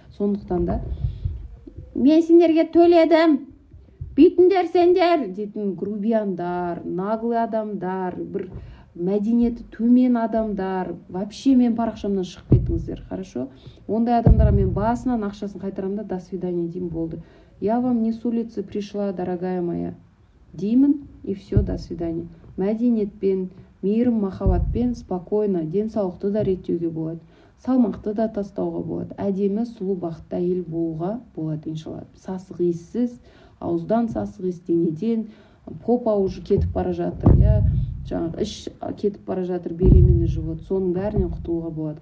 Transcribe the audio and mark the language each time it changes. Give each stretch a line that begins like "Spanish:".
Kazakh: Сондықтан да мен сендерге төледім, бүйтіндер сендер дейтін грубияндар, наглый адамдар, бір мәдениеті төмен адамдар,
Russian: вообще
Kazakh: мен парақшамнан шығып кетіңіздер,
Russian: хорошо?
Kazakh: Ондай адамдарға мен басынан ақшасын қайтарамын да
Russian: до свидания
Kazakh: деймін, болды.
Russian: Я вам не с улицы пришла, дорогая моя,
Kazakh: деймін
Russian: и все, до свидания.
Kazakh: Мәдениетпен, мейірім махаббатпен спокойно денсаулықты да реттеуге болады, салмақты да тастауға болады, әдемі сұлу бақытты әйел болуға болады иншалла. Сасық иіссіз, ауыздан сасық иіс, денеден попа уже кетіп бара жатыр, иә, жаңағы іш кетіп бара жатыр,
Russian: беременный живот,
Kazakh: соның бәрінен құтылуға болады.